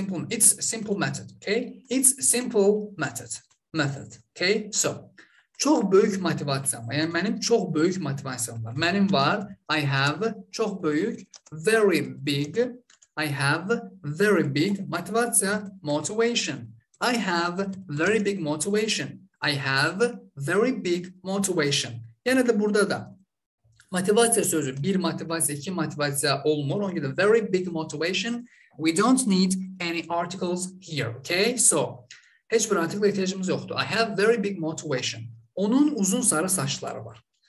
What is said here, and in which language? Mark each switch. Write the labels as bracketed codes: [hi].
[en] It's a simple method, okay? It's a simple method, okay? [az] So, çox böyük motivasiyam var. Yəni, mənim çox böyük motivasiyam var. Mənim var, [en] I have, [az] çox böyük, [en] very big, I have very big motivasiya, motivation. I have very big motivation. I have very big motivation. [az] Yəni, də burada da motivasiya sözü, bir motivasiya, iki motivasiya olmur. Onun gedir, [en] very big motivation. We don't need any articles here, okay? [az] So, heç bir artikl ehtiyacımız yoxdur. [en] I have very big motivation. [az] Onun uzun sarı saçları var.